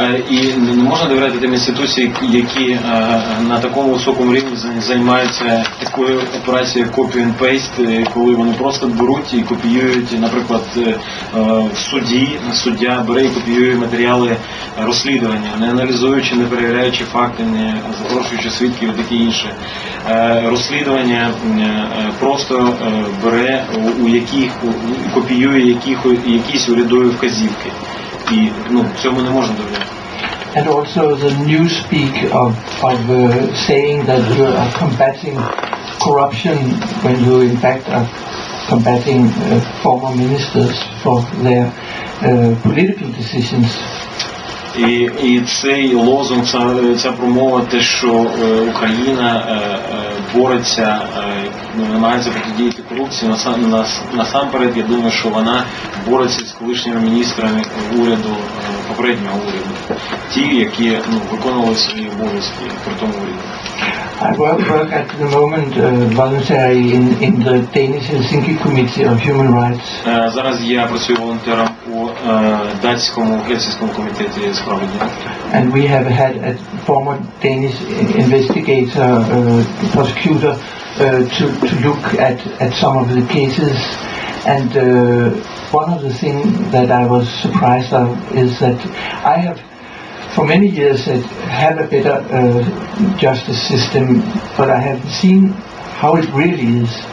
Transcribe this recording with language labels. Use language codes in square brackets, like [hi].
[uk] І не можна довіряти тим інституціям, які на такому високому рівні займаються такою операцією [en] copy and paste, [uk] коли вони просто беруть і копіюють, наприклад, в суді, суддя бере і копіює матеріали розслідування, не аналізуючи, не перевіряючи факти, не запрошуючи свідків і таке інше. Розслідування просто бере у яких, копіює якісь урядові вказівки. І, ну, цьому не можна довіряти. [en] And also the newspeak of saying that you are combating corruption when you in fact are combating former ministers for their political decisions. [uk] І цей лозунг, ця промова, те, що Україна бореться, намагається протидіяти корупції, насамперед, я думаю, що вона бореться з колишніми міністрами уряду, попереднього уряду, ті, які, ну, виконували свої обов'язки при тому уряді. [en] I work at the moment voluntary in the Danish Helsinki Committee of Human Rights. [uk] Зараз я працюю волонтером у датському Гельсінському комітеті з прав людини. [en] And we have had a former Danish investigator, prosecutor, to look at some of the cases. And one of the things that I was surprised of is that I have for many years I had a better justice system, but I have seen how it really is.